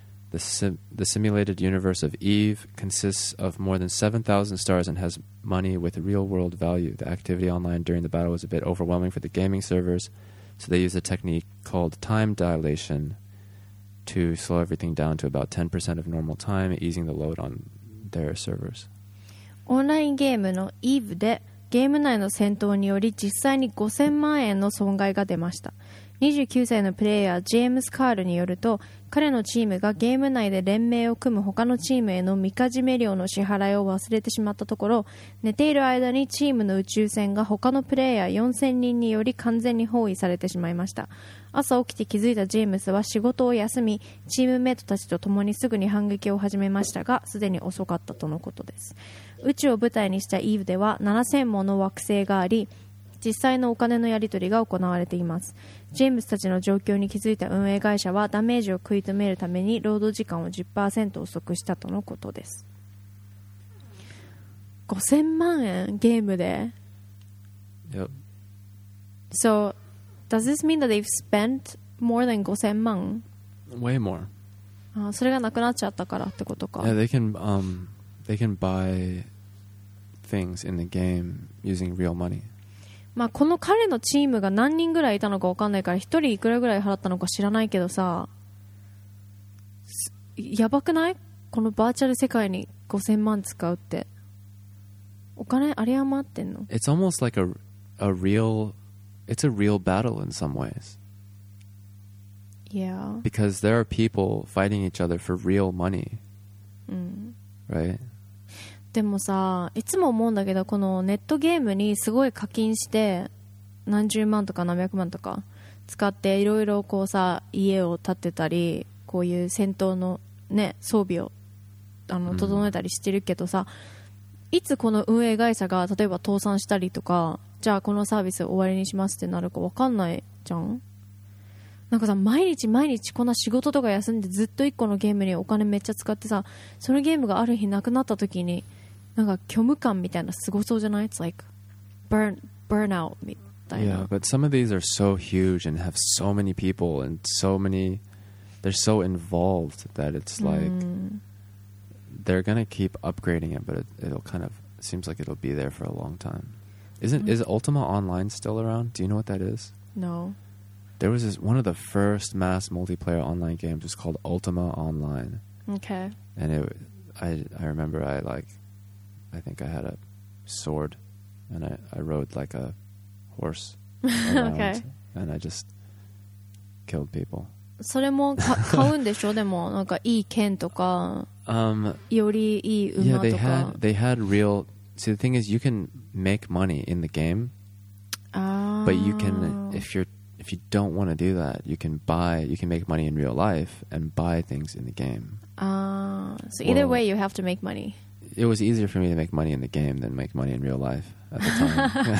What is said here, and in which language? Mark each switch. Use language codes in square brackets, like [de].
[en] The simulated universe of Eve consists of more than 7,000 stars and has money with real-world value. The activity online during the battle was a bit overwhelming for the gaming servers, so they use a technique called time dilation to slow everything down to about 10% of normal time, easing the load on their servers. [ja] オンラインゲームの EVE でゲーム内の戦闘により実際に5000万円の損害が出ました。 29歳のプレイヤージェームス・カールによると、彼のチームがゲーム内で連盟を組む他のチームへのみかじめ料の支払いを忘れてしまったところ、寝ている間にチームの宇宙船が他のプレイヤー4000人により完全に包囲されてしまいました。朝起きて気づいたジェームスは仕事を休み、チームメイトたちと共にすぐに反撃を始めましたが、すでに遅かったとのことです。宇宙を舞台にしたイーヴでは7000もの惑星があり、実際のお金のやり取りが行われています。ジェームスたちの状況に気づいた運営会社はダメージを食い止めるために労働時間を 10% 遅くしたとのことです。 5,000,000 yen ゲームで。 [en] Yep. So does this mean that they've spent more than 5,000,000? Way more. [ja] あ、それがなくなっちゃったからってことか。 [en] Yeah, they can buy things in the game using real money. [ja] まあこの彼のチームが何人ぐらいいたのか分かんないから、一人いくらぐらい払ったのか知らないけどさ、やばくない？このバーチャル世界に5000万使うって、お金あり余ってんの。 [en] It's almost like a real, it's a real battle in some ways. Yeah. Because there are people fighting each other for real money. Right? [ja] でもさ、いつも思うんだけど、このネットゲームにすごい課金して何十万とか何百万とか使っていろいろこうさ、家を建てたり、こういう戦闘のね、装備をあの整えたりしてるけどさ、いつこの運営会社が例えば倒産したりとか、じゃあこのサービス終わりにしますってなるか分かんないじゃん。なんかさ、毎日毎日こんな仕事とか休んでずっと一個のゲームにお金めっちゃ使ってさ、そのゲームがある日なくなった時に、なんか虚無感みたいなすごそうじゃない？ [en] It's like burnout [ja] みたいな。 [en] Yeah, but some of these are so huge and have so many people and so many, they're so involved that it's like、they're gonna keep upgrading it, but it'll kind of seems like it'll be there for a long time. Is Ultima Online still around? Do you know what that is? No. There was this, one of the first mass multiplayer online games was called Ultima Online. Okay. And it, I remember I like, I think I had a sword, and I rode like a horse around, okay. And I just killed people. [ja] それも買うんでしょ？でもなんかいい剣とか。よりいい馬とか。 [en] Yeah, they had real. See, the thing is, you can make money in the game. Ah. But you can, if you don't want to do that, you can make money in real life and buy things in the game. Ah. So either way, you have to make money. It was easier for me to make money in the game than make money in real life at the time.